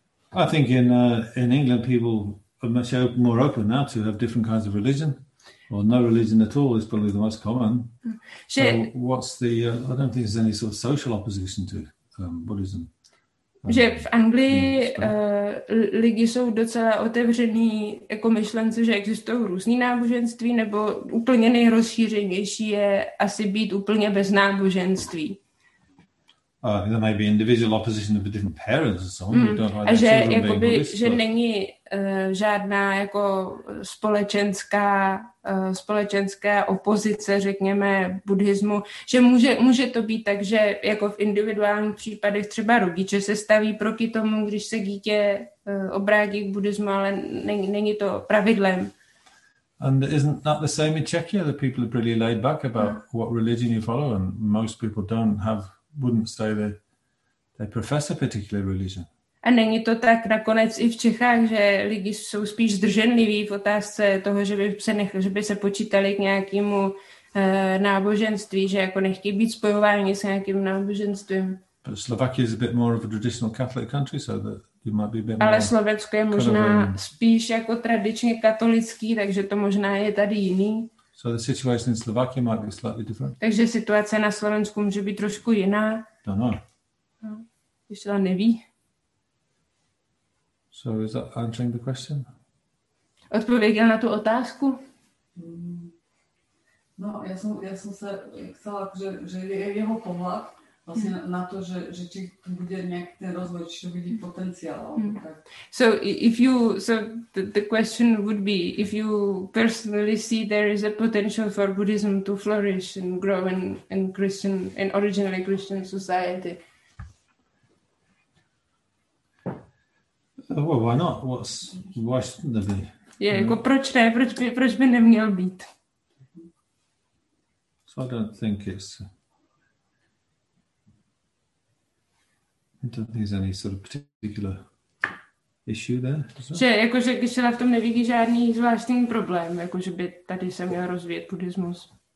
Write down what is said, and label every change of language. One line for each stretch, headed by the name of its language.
English: I think in England people are much more open now to have different kinds of religion, or no religion at all is probably the most common.
Czech: Že,
English: so what's the, I don't think there's any sort of social opposition to Buddhism.
Czech: Že v Anglii lidi jsou docela otevřený jako myšlence, že existují různý náboženství, nebo úplně nejrozšířenější je asi být úplně bez náboženství.
English: There may be individual opposition of different parents or someone who don't like a their
Czech: že,
English: children being Buddhist.
Czech: Že
English: but...
Czech: není žádná jako společenská opozice, řekněme, buddhismu, že může to být tak, že jako v individuálních případech třeba rodiče se staví proti tomu, když se dítě obrátí k buddhismu, ale není to pravidlem.
English: And isn't that the same in Czechia, that people are pretty laid back about what religion you follow and most people don't have wouldn't say they profess a particular religion.
Czech: A není to tak nakonec i v Čechách, že lidi jsou spíš zdrženliví v otázce toho, že by se počítali k nějakému náboženství, že jako nechtějí být spojováni s nějakým náboženstvím.
English: But Slovakia is a bit more of a traditional Catholic country, so that you might be a bit more.
Czech: Ale Slovensko je možná spíš jako tradičně katolický, takže to možná je tady jiný.
English: So the situation in Slovakia might be slightly different.
Czech: Takže situace na Slovensku může být trošku jiná.
English: Don't know.
Czech: Ještě to neví.
English: So is that answering the question?
Czech: Odpověděl na tu otázku? No, já jsem se chtěla, že je jeho pohled vlastně na to, že či to bude nějak ten rozvoj, či to vidí potenciál.
English: So if you, so the question would be, if you personally see there is a potential for Buddhism to flourish and grow in Christian, in originally Christian society. Well, why not? Why shouldn't there be?
Czech: Yeah, jako proč ne? Proč by neměl být?
English: So I don't think it's... I don't think there's any sort of particular issue there.
Czech: Že, jakože Geshe-la v tom nevidí žádný zvláštní problém, jakože by tady se měl rozvíjet buddhismus.